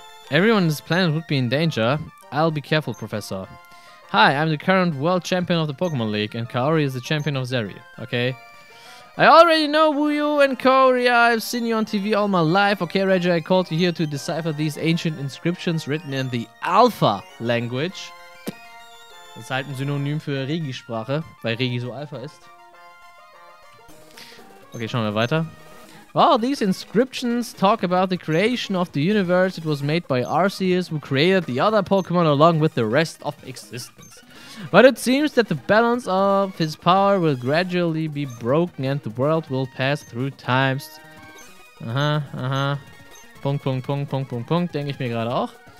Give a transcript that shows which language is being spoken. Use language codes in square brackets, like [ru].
[en] Everyone on this planet would be in danger. I'll be careful, Professor. Hi, I'm the current world champion of the Pokemon League, and Kaori is the champion of Zeri, okay? I already know who you and Kaori are. I've seen you on TV all my life. Okay, Reggie, I called you here to decipher these ancient inscriptions written in the Alpha language. [de] Das ist halt ein Synonym für Regi-Sprache, weil Regi so Alpha ist. Okay, schauen wir weiter. [en] Well, these inscriptions talk about the creation of the universe. It was made by Arceus, who created the other Pokemon along with the rest of existence. But it seems that the balance of his power will gradually be broken and the world will pass through times. [de] Punkt, Punkt, Punkt, Punkt, Punkt, Punkt, denke ich mir gerade auch.